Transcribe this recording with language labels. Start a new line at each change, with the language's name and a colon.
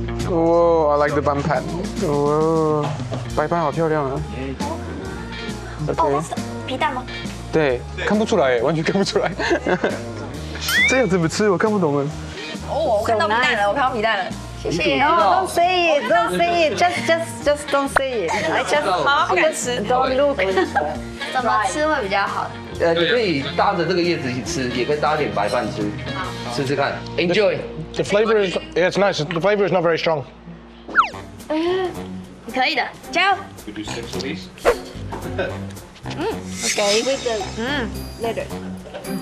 Chinese: 哦 ，
English: I like the
Chinese: 班盘。哦，白盘好漂亮啊。OK。皮蛋吗？对，看不出来，完全看不出来。这样怎么吃？我看不懂哎。哦，我看到皮蛋了，我看到皮蛋了。谢谢。
English: Oh, don't say it, don't say it, just don't say it. I just
Chinese: 好不敢吃。
English: Don't look.
Chinese: 怎么吃会比较好？你可以搭着这个叶子一起吃，也可以搭点白饭吃，试试看。
English: Enjoy. The flavor is, yeah, it's nice. The flavor is not very strong.
Chinese: 嗯，可以的，加油。嗯 ，OK， 味的，嗯 ，later，